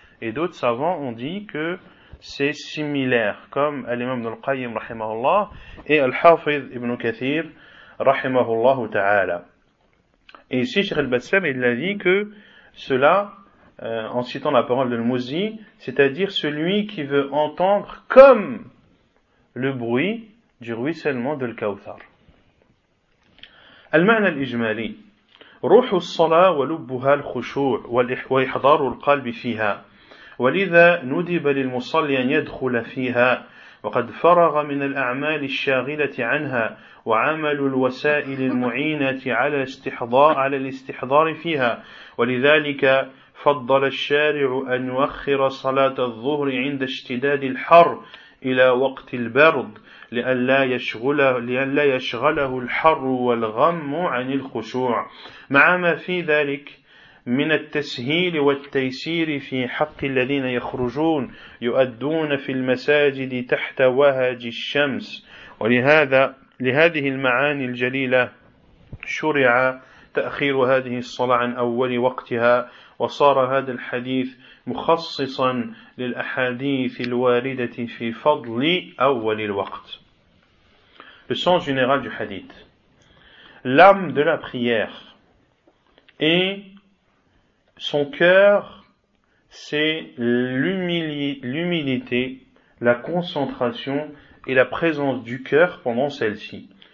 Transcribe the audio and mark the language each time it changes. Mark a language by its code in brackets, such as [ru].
[fr] Et d'autres savants ont dit que c'est similaire, comme Al-Imam Al-Qayyim, rahimahullah, et Al-Hafidh Ibn Kathir, rahimahullah ta'ala. Et ici, Cheikh Al-Bassam, il a dit que cela, en citant la parole de Al-Muzi, c'est-à-dire celui qui veut entendre comme le bruit du ruissellement de l'Kawthar. [ar] Al-Ma'na Al-Ijmali. روح الصلاة ولبها الخشوع وإحضار القلب فيها ولذا ندب للمصلي أن يدخل فيها وقد فرغ من الأعمال الشاغلة عنها وعمل الوسائل المعينة على الاستحضار فيها ولذلك فضل الشارع أن يؤخر صلاة الظهر عند اشتداد الحر إلى وقت البرد لئلا يشغله الحر والغم عن الخشوع مع ما في ذلك من التسهيل والتيسير في حق الذين يخرجون يؤدون في المساجد تحت وهج الشمس ولهذه المعاني الجليلة شرع تأخير هذه الصلاة عن أول وقتها وصار هذا الحديث مخصصا للأحاديث الواردة في فضل أول الوقت. [fr] Le sens général du hadith. L'âme de la prière et son cœur, c'est l'humilité, la concentration et la présence du cœur pendant celle-ci.